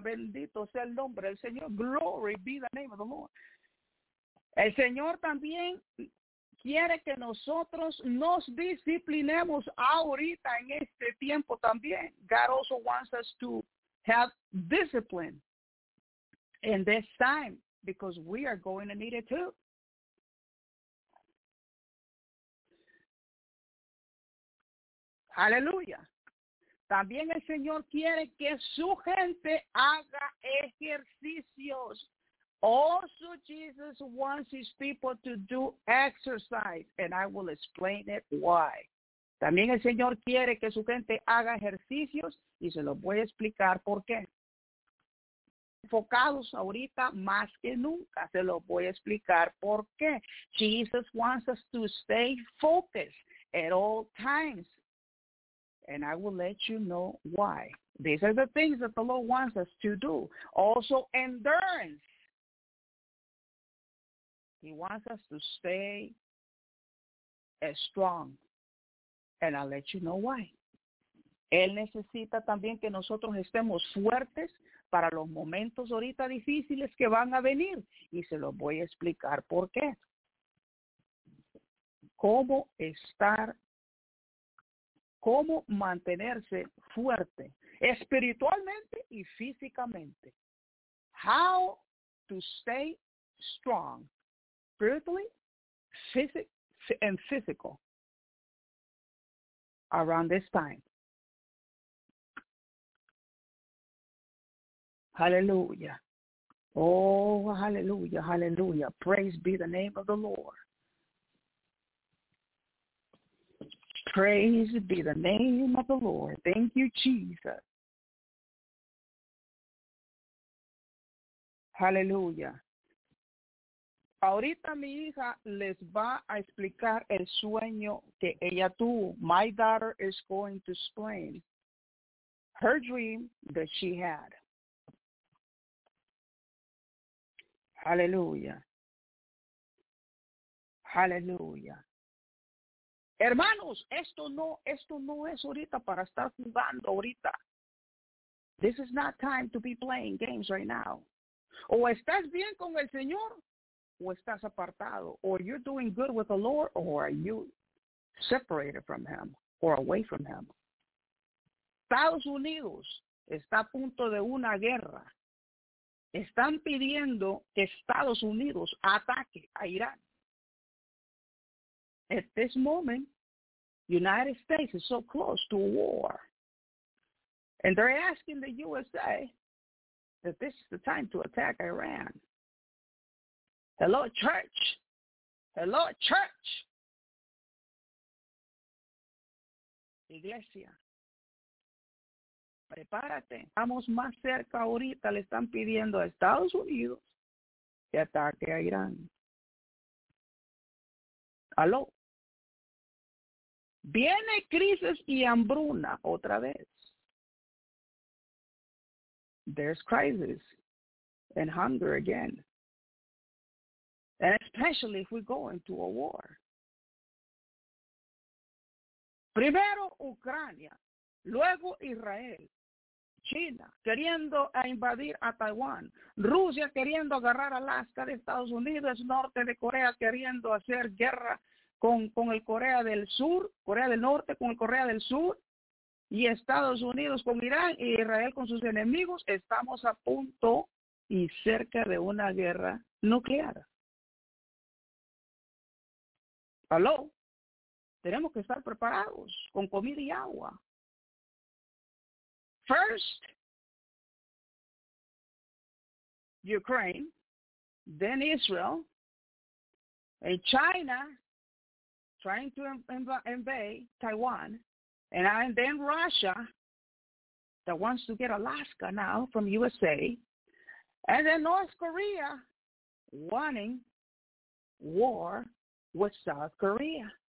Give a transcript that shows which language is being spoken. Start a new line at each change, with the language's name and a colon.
Spanish: Bendito sea el nombre del Señor.
English: Glory be the name of the Lord.
Spanish: El Señor también quiere que nosotros nos disciplinemos ahorita en este tiempo también.
English: God also wants us to have discipline in this time because we are going to need it too.
Spanish: Aleluya. También el Señor quiere que su gente haga ejercicios.
English: Also, Jesus wants his people to do exercise, and I will explain it why.
Spanish: También el Señor quiere que su gente haga ejercicios, y se los voy a explicar por qué. Enfocados ahorita más que nunca, se los voy a explicar por qué.
English: Jesus wants us to stay focused at all times, and I will let you know why. These are the things that the Lord wants us to do. Also, endurance. He wants us to stay as strong. And I'll let you know why.
Spanish: Él necesita también que nosotros estemos fuertes para los momentos ahorita difíciles que van a venir. Y se los voy a explicar por qué. Cómo estar, cómo mantenerse fuerte espiritualmente y físicamente.
English: How to stay strong. Spiritually, and physical around this time. Hallelujah. Oh, hallelujah, hallelujah. Praise be the name of the Lord. Praise be the name of the Lord. Thank you, Jesus. Hallelujah.
Spanish: Ahorita mi hija les va a explicar el sueño que ella tuvo.
English: My daughter is going to explain her dream that she had. Hallelujah. Hallelujah.
Spanish: Hermanos, esto no es ahorita para estar jugando ahorita.
English: This is not time to be playing games right now.
Spanish: O estás bien con el Señor, o estás apartado,
English: or you're doing good with the Lord, or are you separated from him, or away from him.
Spanish: Estados Unidos está a punto de una guerra. Están pidiendo que Estados Unidos ataque a Irán.
English: At this moment, United States is so close to a war. And they're asking the USA that this is the time to attack Iran. Hello, church. Hello, church.
Spanish: Iglesia. Prepárate. Estamos más cerca ahorita. Le están pidiendo a Estados Unidos que ataque a Irán. Aló. Viene crisis y hambruna otra vez.
English: There's crisis and hunger again. And especially if we go into a war.
Spanish: Primero Ucrania, luego Israel, China queriendo invadir a Taiwán, Rusia queriendo agarrar Alaska de Estados Unidos, Norte de Corea queriendo hacer guerra con el Corea del Sur, Corea del Norte con el Corea del Sur, y Estados Unidos con Irán y Israel con sus enemigos. Estamos a punto y cerca de una guerra nuclear. Aló, tenemos que estar preparados con comida y agua.
English: First, Ukraine, then Israel, and China trying to invade Taiwan, and then Russia that wants to get Alaska now from USA, and then North Korea wanting war with South Korea.